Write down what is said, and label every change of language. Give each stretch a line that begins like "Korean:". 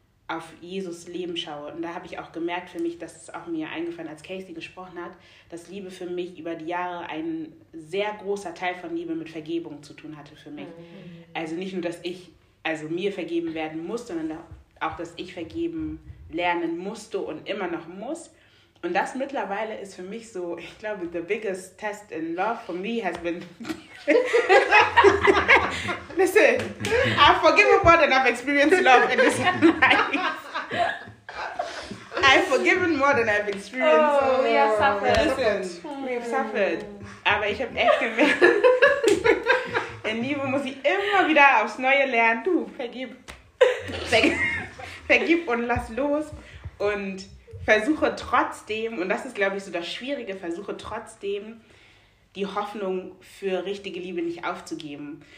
German: auf Jesus' Leben schaue. Und da habe ich auch gemerkt für mich, das ist auch mir eingefallen, als Casey gesprochen hat, dass Liebe für mich über die Jahre ein sehr großer Teil von Liebe mit Vergebung zu tun hatte für mich. Mhm. Also nicht nur, dass ich also mir vergeben werden muss, sondern auch, dass ich vergeben lernen musste und immer noch muss. Und das mittlerweile ist für mich so, ich glaube,
English: the biggest test in love for me has been... Listen, I'm forgivable than I've experienced love in this life. I've forgiven more than I've experienced. Oh, we have suffered. Listen, we have suffered.
German: Aber ich habe echt gemerkt, in Liebe muss ich immer wieder aufs Neue lernen. Du, vergib. Vergib und lass los. Und versuche trotzdem, und das ist, glaube ich, so das Schwierige, versuche trotzdem, die Hoffnung für richtige Liebe nicht aufzugeben.